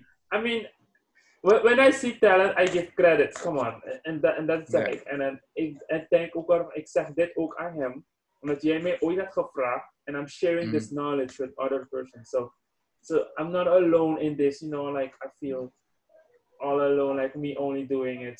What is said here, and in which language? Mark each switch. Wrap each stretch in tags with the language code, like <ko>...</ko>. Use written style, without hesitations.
<en>I mean, when I see talent, I give credits. Come on, and that's it. And then</en> <nl>ik zeg dit ook aan hem, omdat jij mij ooit hebt gevraagd,</nl> <en>and I'm sharing this knowledge with other persons. So I'm not alone in this, you know, like I feel all alone, like me only doing it.</en>